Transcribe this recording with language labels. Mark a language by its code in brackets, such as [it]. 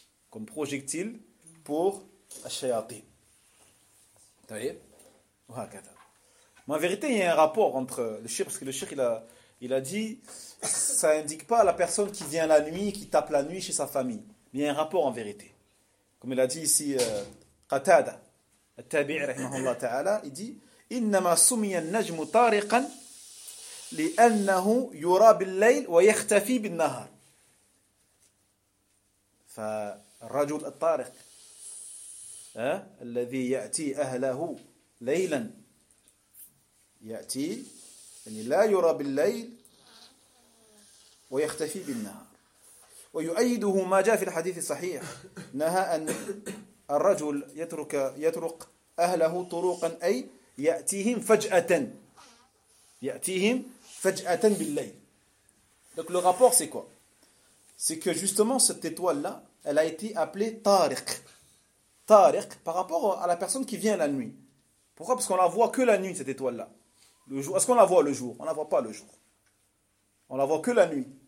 [fr] Comme projectile pour les shayatin. Vous voyez? Mais en vérité, il y a un rapport entre le shirk, parce que le shirk, il a dit, ça n'indique pas la personne qui vient la nuit, qui tape la nuit chez sa famille. Mais il y a un rapport en vérité. Comme il a dit ici, Qatada. [ar] التابعي رحمه الله تعالى يدي إنما سمي النجم طارقا لأنه يرى بالليل ويختفي بالنهار فالرجل الطارق الذي يأتي أهله ليلا يأتي يعني لا يرى بالليل ويختفي بالنهار ويؤيده ما جاء في الحديث الصحيح نهى أن الرجل يترك أهله طروقا، أي يأتيهم فجأة، يأتيهم فجأة بالليل. [fr] Donc le rapport c'est quoi? C'est que justement cette étoile là, elle a été appelée Tariq. Tariq par rapport à la personne qui vient la nuit. Pourquoi? Parce qu'on la voit que la nuit, cette étoile là. Le jour, est-ce qu'on la voit le jour? On la voit pas le jour. On la voit que la nuit.